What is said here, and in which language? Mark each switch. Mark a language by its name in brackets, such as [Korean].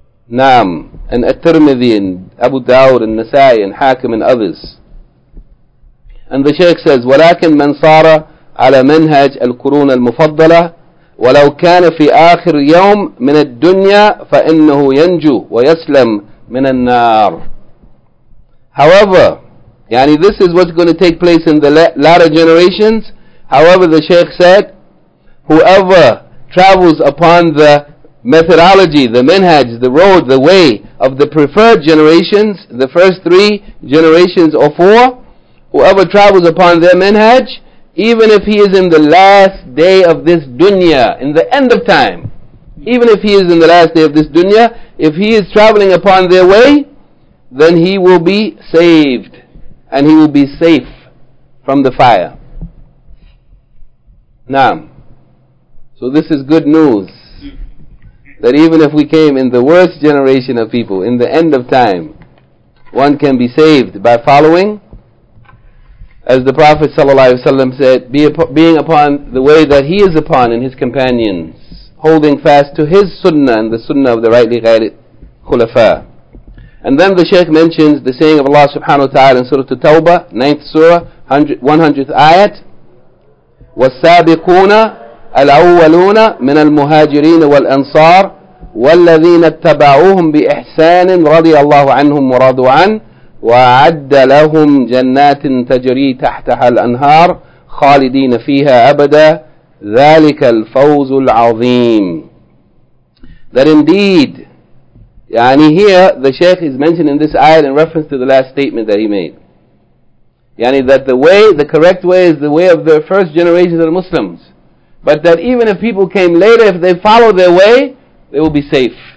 [English] Naam, and At-Tirmidhi, and Abu Dawud, and Nasa'i, and Hakim, and others. And the Shaykh says, [Arabic] وَلَكِنْ مَنْ صَارَ عَلَى مَنْهَجَ الْقُرُونَ الْمُفَضَّلَةِ وَلَوْ كَانَ فِي آخِرِ يَوْمٍ مِنَ الدُّنْيَا فَإِنَّهُ يَنْجُو وَيَسْلَمْ مِنَ النَّارِ. [English] However, yani this is what's going to take place in the latter generations. However, the Shaykh said, whoever travels upon the methodology, the minhaj, the road, the way of the preferred generations, the first three generations or four, whoever travels upon their minhaj, even if he is in the last day of this dunya, in the end of time, even if he is in the last day of this dunya, if he is traveling upon their way, then he will be saved, and he will be safe from the fire. Naam. So this is good news. That even if we came in the worst generation of people, in the end of time, one can be saved by following, as the Prophet sallallahu alaihi wasallam said, being upon the way that he is upon and his companions, holding fast to his sunnah and the sunnah of the rightly guided khulafa. And then the Shaykh mentions the saying of Allah subhanahu wa ta'ala in Surah At-Tawbah, 9th Surah, 100th ayat, [Arabic] وَالسَّابِقُونَ الأولون من المهاجرين والأنصار والذين اتبعوهم بإحسان رضي الله عنهم ورضوا عنه وأعد لهم جنات تجري تحتها الأنهار خالدين فيها أبدا ذلك الفوز العظيم. [English] That indeed, يعني here the Shaykh is mentioned in this ayah in reference to the last statement that he made. يعني that the correct way is the way of the first generations of the Muslims. But that even if people came later, if they follow their way, they will be safe.